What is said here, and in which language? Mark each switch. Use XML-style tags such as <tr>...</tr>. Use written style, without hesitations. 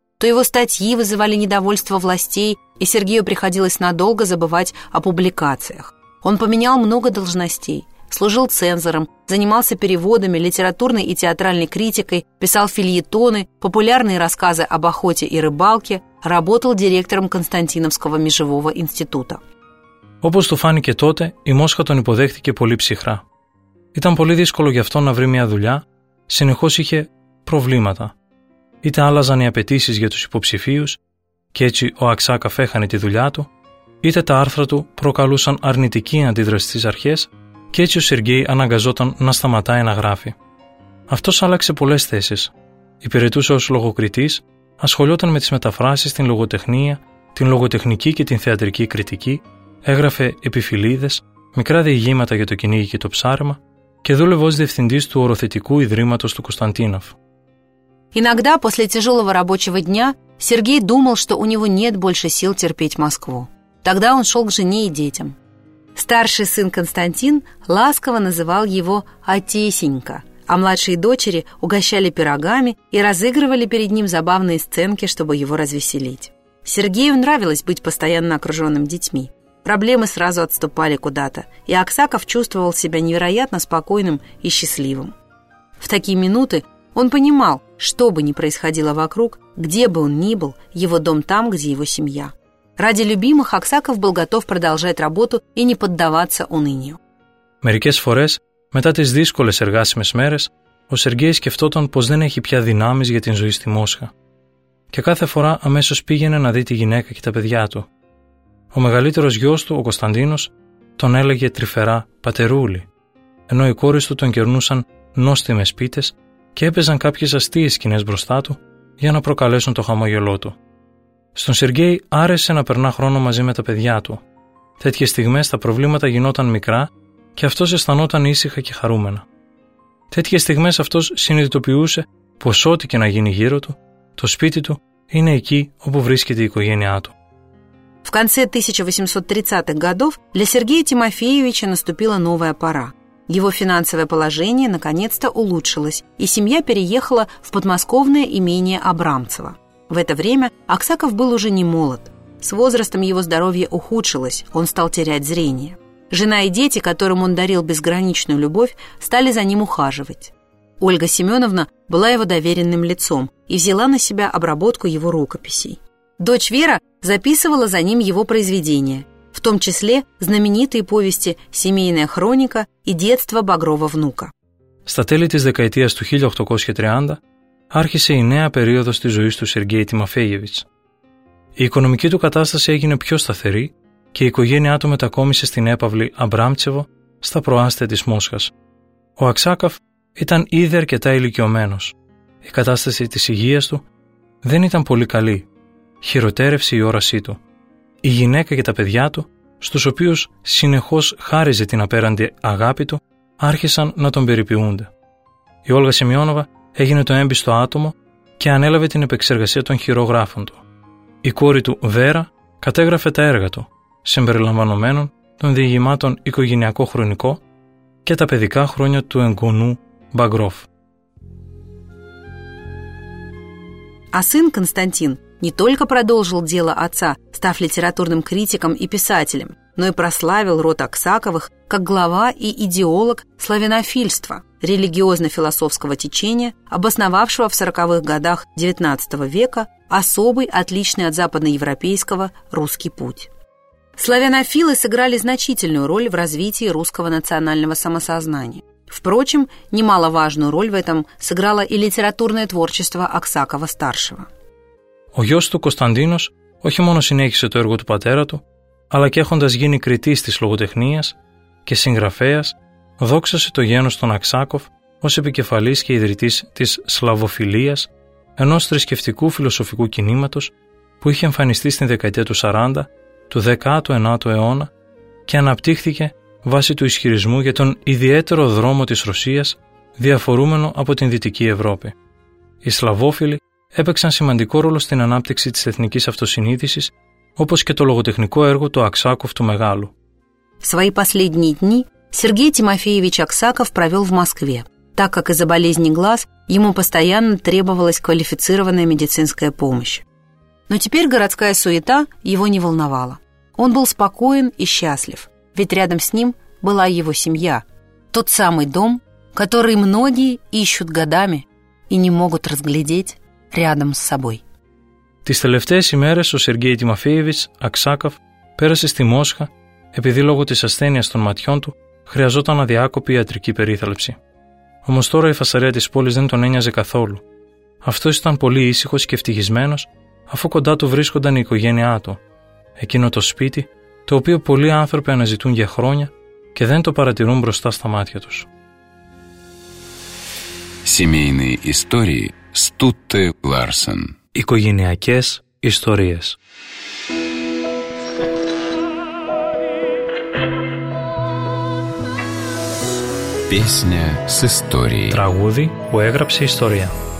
<ru>То его статьи вызывали недовольство властей, и Сергею приходилось надолго забывать о публикациях. Он поменял много должностей. Служил цензором, занимался переводами, литературной и театральной критикой, писал фельетоны, популярные рассказы об охоте и рыбалке, работал директором Константиновского межевого института.</ru> <el>Όπως του φάνηκε τότε, η Μόσχα τον υποδέχτηκε πολύ ψυχρά. Ήταν πολύ δύσκολο για αυτό να βρει μια δουλειά, συνεχώς είχε προβλήματα. Είτε άλλαζαν οι απαιτήσεις για τους υποψηφίους και έτσι ο Αξάκαφ έχανε τη δουλειά του, είτε τα άρθρα του προκαλούσαν αρνητική αντίδραση στις αρχές και έτσι ο Σεργέη αναγκαζόταν να σταματάει να γράφει. Αυτός άλλαξε πολλές θέσεις. Υπηρετούσε ως λογοκριτής, ασχολιόταν με τις μεταφράσεις, την λογοτεχνία, την λογοτεχνική και την θεατρική κριτική, έγραφε επιφυλίδες, μικρά διηγήματα για το κυνήγι και το ψάρεμα και δούλευε ως διευθυντής του οροθετικού ιδρύματος του Κωνσταντίνοφ.</el> <ru>Иногда после тяжелого рабочего дня Сергей думал, что у него нет больше сил терпеть Москву. Тогда он шел к жене и детям. Старший сын Константин ласково называл его «отесенька», а младшие дочери угощали пирогами и разыгрывали перед ним забавные сценки, чтобы его развеселить. Сергею нравилось быть постоянно окруженным детьми. Проблемы сразу отступали куда-то, и Аксаков чувствовал себя невероятно спокойным и счастливым. В такие минуты он понимал, что бы ни происходило вокруг, где бы он ни был, его дом там, где его семья. Ради любимых Аксаков был готов продолжать работу и не поддаваться унынию.</ru> <el>Μερικές φορές, μετά τις δύσκολες εργάσιμες μέρες, ο Σεργέης σκεφτόταν πως δεν έχει πια δυνάμεις για την ζωή στη Μόσχα. Και κάθε φορά αμέσως πήγαινε να δει τη γυναίκα και τα παιδιά του. Ο μεγαλύτερος γιος του, ο Κωνσταντίνος, τον έλεγε τρυφερά «πατερούλη», ενώ οι κόρες του τον κερνούσαν νόστιμες πίτες και έπαιζαν κάποιες αστείες σκηνές μπροστά του για να προκαλέσουν το χαμόγελό του. Στον Σεργέη άρεσε να περνά χρόνο μαζί με τα παιδιά του. Τέτοιες στιγμές τα προβλήματα γινόταν μικρά και αυτός αισθανόταν ήσυχα και χαρούμενα. Τέτοιες στιγμές αυτός συνειδητοποιούσε πως ό,τι και να γίνει γύρω του, το σπίτι του είναι εκεί όπου βρίσκεται η οικογένειά του.</el> <ru>В конце 1830-х годов для Сергея Тимофеевича наступила новая пора. Его финансовое положение наконец-то улучшилось, и семья переехала в подмосковное имение Абрамцево. В это время Аксаков был уже не молод. С возрастом его здоровье ухудшилось, он стал терять зрение. Жена и дети, которым он дарил безграничную любовь, стали за ним ухаживать. Ольга Семеновна была его доверенным лицом и взяла на себя обработку его рукописей. Дочь Вера записывала за ним его произведения, в том числе знаменитые повести «Семейная хроника» и «Детство Багрова внука».</ru> <el>Στα τέλη της δεκαετίας του 1830 άρχισε η νέα περίοδος της ζωής του Σεργέη Τιμοφέγεβιτς. Η οικονομική του κατάσταση έγινε πιο σταθερή και η οικογένειά του μετακόμισε στην έπαυλη Αμπράμτσεβο στα προάστια της Μόσχας. Ο Αξάκαφ ήταν ήδη αρκετά ηλικιωμένος. Η κατάσταση της υγείας του δεν ήταν πολύ καλή. Χειροτέρευσε η όρασή του. Η γυναίκα και τα παιδιά του, στους οποίους συνεχώς χάριζε την απέραντη αγάπη του, άρχισαν να τον περιποιούνται. Η Όλγα Σημειώνοβα έγινε το έμπιστο άτομο και ανέλαβε την επεξεργασία των χειρογράφων του. Η κόρη του, Βέρα, κατέγραφε τα έργα του, συμπεριλαμβανομένων των διηγημάτων «Οικογενειακό χρονικό» και «Τα παιδικά χρόνια του εγγονού Μπαγκρόφ».</el> <ru>Ασύν Κωνσταντίν не только продолжил дело отца, став литературным критиком и писателем, но и прославил род Аксаковых как глава и идеолог славянофильства, религиозно-философского течения, обосновавшего в 40-х годах XIX века особый, отличный от западноевропейского, русский путь. Славянофилы сыграли значительную роль в развитии русского национального самосознания. Впрочем, немаловажную роль в этом сыграло и литературное творчество Аксакова-старшего.</ru> <el>Ο γιος του Κωνσταντίνος όχι μόνο συνέχισε το έργο του πατέρα του, αλλά και έχοντας γίνει κριτής της λογοτεχνίας και συγγραφέας, δόξασε το γένος των Αξάκοφ ως επικεφαλής και ιδρυτής της Σλαβοφιλίας, ενός θρησκευτικού φιλοσοφικού κινήματος που είχε εμφανιστεί στην δεκαετία του 40 του 19ου αιώνα και αναπτύχθηκε βάσει του ισχυρισμού για τον ιδιαίτερο δρόμο της Ρωσίας διαφορούμενο από την Δυτική Ευρώπη. Οι Σλαβόφιλοι έπαιξαν σημαντικό ρόλο στην ανάπτυξη της εθνικής αυτοσυνείδησης, όπως και το λογοτεχνικό έργο του Αξάκοφ του Μεγάλου.</el> <ru>Свои последние дни Сергей Тимофеевич Аксаков провел в Москве, так как из-за болезни глаз ему постоянно требовалась квалифицированная медицинская помощь. Но теперь городская суета его не волновала. Он был спокоен и счастлив, ведь рядом с ним была его семья, тот самый дом, который многие ищут годами и не могут разглядеть рядом с собой.</ru> <el>Τις τελευταίες ημέρες ο Σεργέι Τιμοφέεβιτς Αξάκοφ πέρασε στη Μόσχα επειδή λόγω της ασθένειας των ματιών του χρειαζόταν αδιάκοπη ιατρική περίθαλψη. Όμως τώρα η φασαρία της πόλης δεν τον ένοιαζε καθόλου. Αυτός ήταν πολύ ήσυχος και ευτυχισμένος, αφού κοντά του βρίσκονταν η οικογένειά του. Εκείνο το σπίτι, το οποίο πολλοί άνθρωποι αναζητούν για χρόνια και δεν το παρατηρούν μπροστά στα μάτια τους.</el> <ru>Семейные истории Стутте Ларсен.</ru> <el>Οικογενειακές ιστορίες.</el> <ru>Песня с историей.</ru> <el>Τραγούδι που έγραψε ιστορία.</el>